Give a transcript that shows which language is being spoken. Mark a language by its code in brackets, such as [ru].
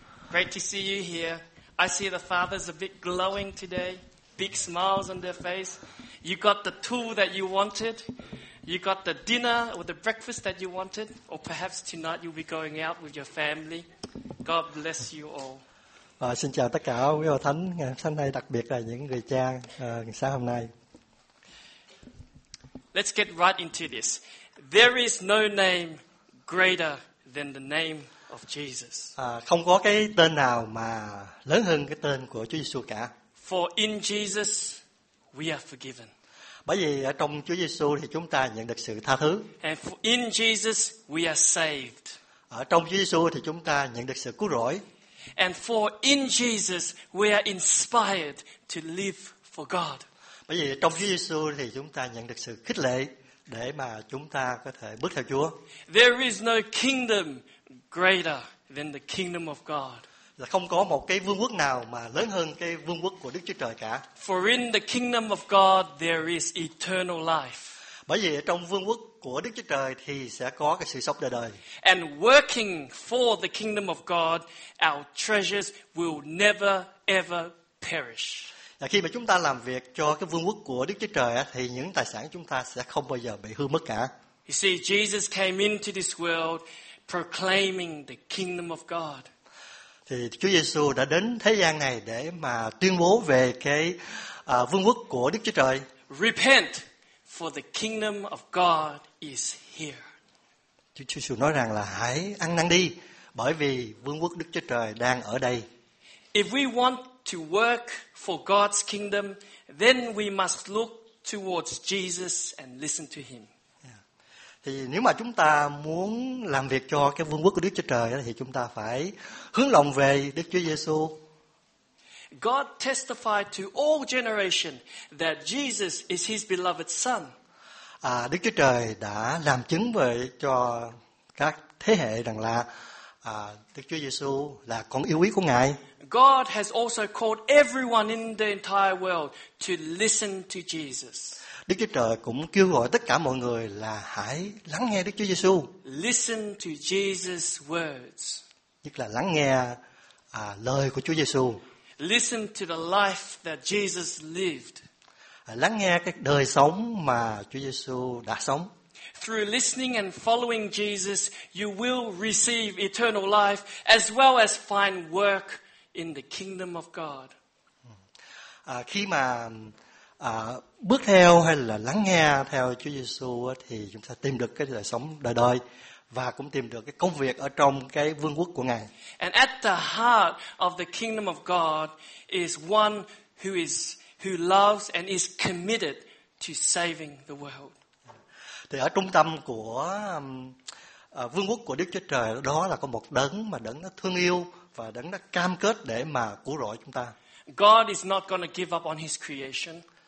[en] Great to see you here. I see the fathers a bit glowing today, big smiles on their face. You got the tool that you wanted. You got the dinner or the breakfast that you wanted. Or perhaps tonight you'll be going out with your family. God bless you all. [vi] Xin chào tất cả quý hội thánh ngày hôm nay, đặc biệt là những người cha sáng hôm nay. [en] Let's get right into this. There is no name greater than the name of Jesus. [vi] Không có cái tên nào mà lớn hơn cái tên của Chúa Giêsu cả. [en] For in Jesus we are forgiven. [vi] Bởi vì ở trong Chúa Giêsu thì chúng ta nhận được sự tha thứ. [en] And for in Jesus we are saved. [vi] Ở trong Chúa Giêsu thì chúng ta nhận được sự cứu rỗi. [en] And for in Jesus we are inspired to live for God. [vi] Bởi vì trong Chúa Giêsu thì chúng ta nhận được sự khích lệ để mà chúng ta có thể bước theo Chúa. [en] There is no kingdom greater than the kingdom of God. [vi] Là không có một cái vương quốc nào mà lớn hơn cái vương quốc của Đức Chúa Trời cả. [en] For in the kingdom of God there is eternal life. [vi] Bởi vì trong vương quốc của Đức Chúa Trời thì sẽ có cái sự sống đời đời. [en] And working for the kingdom of God, our treasures will never ever perish. [vi] Là khi mà chúng ta làm việc cho cái vương quốc của Đức Chúa Trời thì những tài sản chúng ta sẽ không bao giờ bị hư mất cả. [en] You see, Jesus came into this world proclaiming the kingdom of God. [vi] Thì Chúa Giêsu đã đến thế gian này để mà tuyên bố về cái vương quốc của Đức Chúa Trời. [en] Repent, for the kingdom of God is here. [vi] Chúa Giêsu nói rằng là hãy ăn năn đi, bởi vì vương quốc Đức Chúa Trời đang ở đây. [en] If we want to work for God's kingdom, then we must look towards Jesus and listen to him. [vi] Thì nếu mà chúng ta muốn làm việc cho cái vương quốc của Đức Chúa Trời thì chúng ta phải hướng lòng về Đức Chúa Giêsu. [en] God testified to all generation that Jesus is his beloved son. [vi] Đức Chúa Trời đã làm chứng với cho các thế hệ rằng là Đức Chúa Giêsu là con yêu quý của Ngài. [en] God has also called everyone in the entire world to listen to Jesus. [vi] Đức Chúa Trời cũng kêu gọi tất cả mọi người là hãy lắng nghe Đức Chúa Giêsu. [en] Listen to Jesus' words. [vi] Nhất là lắng nghe lời của Chúa Giêsu. [en] Listen to the life that Jesus lived. [vi] Lắng nghe cái đời sống mà Chúa Giêsu đã sống. [en] Through listening and following Jesus, you will receive eternal life as well as find work in the kingdom of God. [vi] Khi mà bước theo hay là lắng nghe theo Chúa Giêsu thì chúng ta tìm được cái đời sống đời đời và cũng tìm được cái công việc ở trong cái vương quốc của Ngài. [en] And at the heart of the kingdom of God is one who loves and is committed to saving the world. [vi] Thì ở trung tâm của vương quốc của Đức Chúa Trời đó là có một đấng mà đấng đã thương yêu và đấng đã cam kết để mà cứu rỗi chúng ta. [en] God is not going to give up on his creation.